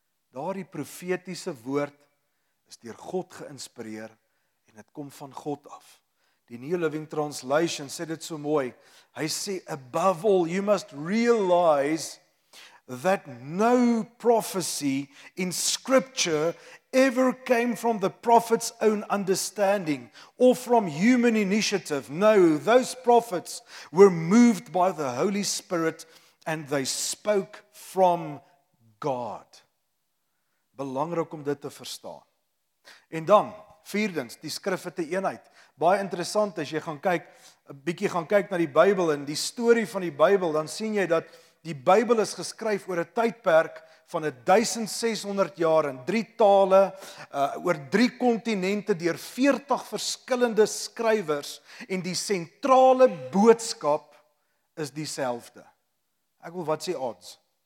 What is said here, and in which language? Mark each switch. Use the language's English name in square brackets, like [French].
[Afrikaans] Daardie profetiese woord is deur God geïnspireer en het kom van God af. Die New Living Translation sê dit so mooi. Hy sê, [English] above all, you must realize that no prophecy in scripture ever came from the prophet's own understanding or from human initiative. No, those prophets were moved by the Holy Spirit and they spoke from God. [Afrikaans] Belangrik om dit te verstaan. En dan, vierdens, die skrif het 'n eenheid. Baie interessant, as jy gaan kyk, 'n bietjie gaan kyk na die Bybel en die story van die Bybel, dan sien jy dat die Bybel is geskryf oor 'n tydperk van 1600 jaar in 3 tale, oor 3 kontinente, deur 40 verskillende skrywers, en die sentrale boodskap is dieselfde. Ek wil, wat sê odds?